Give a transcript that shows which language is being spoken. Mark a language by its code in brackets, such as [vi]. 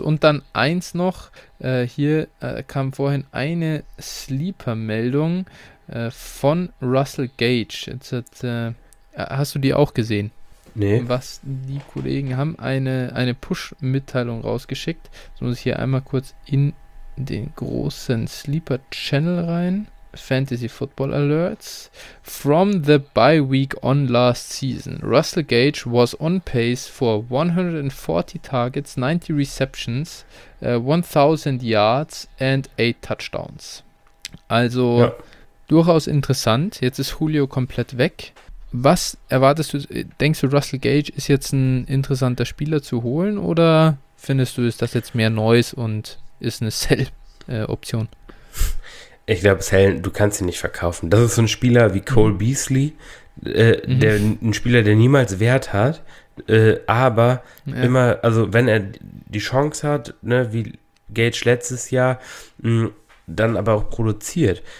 [de] Und dann eins noch. Hier kam vorhin eine Sleeper-Meldung von Russell Gage. Hast du die auch gesehen? Nee. Was die Kollegen haben, eine Push-Mitteilung rausgeschickt. Jetzt muss ich hier einmal kurz in den großen Sleeper-Channel rein. Fantasy Football Alerts. [en] From the bye week on last season, Russell Gage was on pace for 140 targets, 90 receptions, 1000 yards and 8 touchdowns. [de] Also durchaus interessant. Jetzt ist Julio komplett weg. Was erwartest du, denkst du, Russell Gage ist jetzt ein interessanter Spieler zu holen oder findest du, ist das jetzt mehr Neues und ist eine Sell-Option? Ich glaube, Sell, du kannst ihn nicht verkaufen. Das ist so ein Spieler wie Cole Beasley, der ein Spieler, der niemals Wert hat, immer, also wenn er die Chance hat, ne, wie Gage letztes Jahr, dann aber auch produziert.